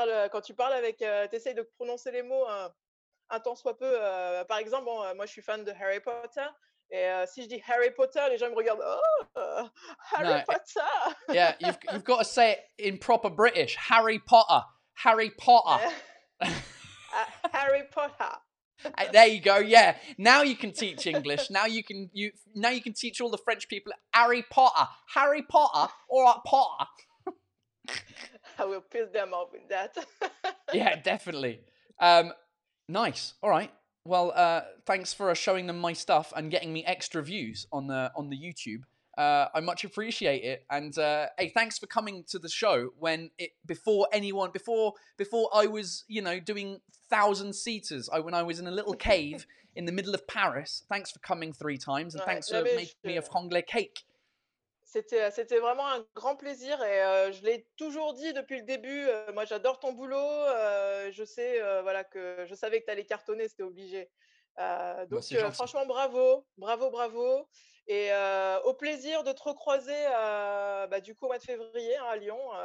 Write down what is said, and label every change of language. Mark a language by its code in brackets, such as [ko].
[fr] quand tu parles avec, t'essayes de prononcer les mots. Un tant soit peu. Par exemple, bon, moi, je suis fan de Harry Potter. Et si je dis Harry Potter, les gens me regardent. Oh, Harry Potter. [en] Yeah, you've got to say it in proper British. Harry Potter. Harry Potter. Harry Potter. There you go. Yeah. Now you can teach English. Now you can teach all the French people. Harry Potter. Harry Potter or Potter. I will piss them off with that. Yeah, definitely. Nice. All right. Well, thanks for showing them my stuff and getting me extra views on the YouTube. I much appreciate it. And hey, thanks for coming to the show before I was, you know, doing thousand seaters. When I was in a little cave in the middle of Paris. Thanks for coming three times and thanks for making me a franglais cake. [fr] C'était vraiment un grand plaisir et je l'ai toujours dit depuis le début. Moi, j'adore ton boulot. Je sais, que je savais que tu allais cartonner, c'était obligé. Franchement, bravo. Et au plaisir de te recroiser au mois de février à Lyon.